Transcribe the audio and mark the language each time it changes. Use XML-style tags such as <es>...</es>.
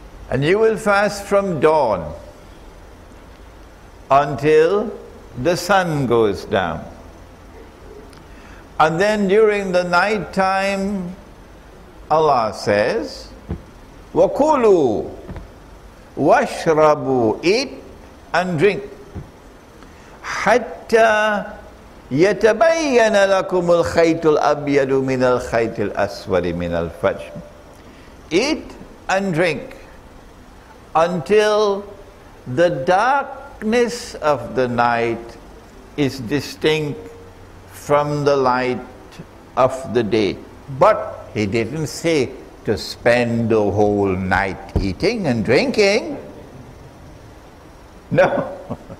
<en>And you will fast from dawn until the sun goes down. And then during the night time, Allah says, "Wakulu, washrabu, eat and drink.</en> <ar>Hatta يَتَبَيَّنَ لَكُمُ الْخَيْتُ الْأَبْيَدُ مِنَ الْخَيْتِ الْأَسْوَدِ مِنَ الْفَجْرِ."</ar> <en>Eat and drink until the darkness of the night is distinct from the light of the day. But he didn't say to spend the whole night eating and drinking. No.</en>